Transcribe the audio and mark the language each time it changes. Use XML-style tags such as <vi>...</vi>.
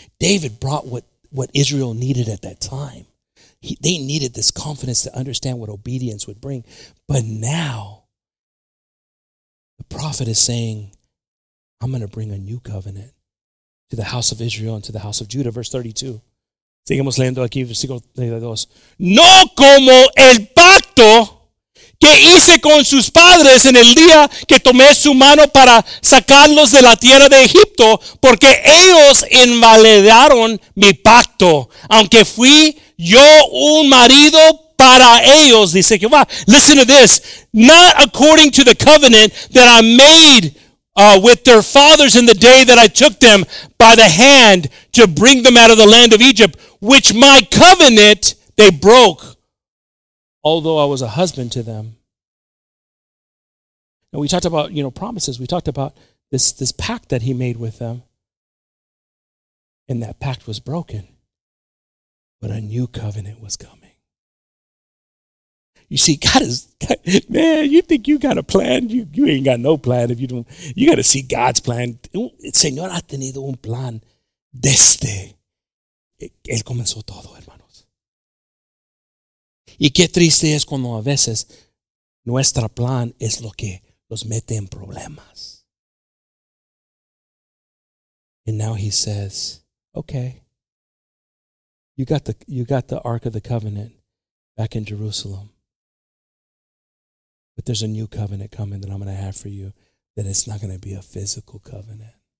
<en>David brought what Israel needed at that time. They needed this confidence to understand what obedience would bring. But now, the prophet is saying, I'm going to bring a new covenant to the house of Israel and to the house of Judah. Verse 32.</en> <es>Seguimos leyendo aquí, versículo 32. No como el pacto que hice con sus padres en el día que tomé su mano para sacarlos de la tierra de Egipto, porque ellos invalidaron mi pacto, aunque fui yo un marido para ellos, dice Jehová.</es> <en>Listen to this. Not according to the covenant that I made with their fathers in the day that I took them by the hand to bring them out of the land of Egypt, which my covenant they broke, although I was a husband to them. And we talked about, you know, promises. We talked about this pact that he made with them. And that pact was broken. But a new covenant was coming. You see, God is, man, you think you got a plan? You ain't got no plan if you don't. You got to see God's plan.</en> <es>El Señor ha tenido un plan desde él comenzó todo, hermanos. Y qué triste es cuando a veces nuestro plan es lo que los mete en problemas.</es> <en>And now he says, okay, you got the Ark of the Covenant back in Jerusalem. But there's a new covenant coming that I'm going to have for you, that it's not going to be a physical covenant.</en>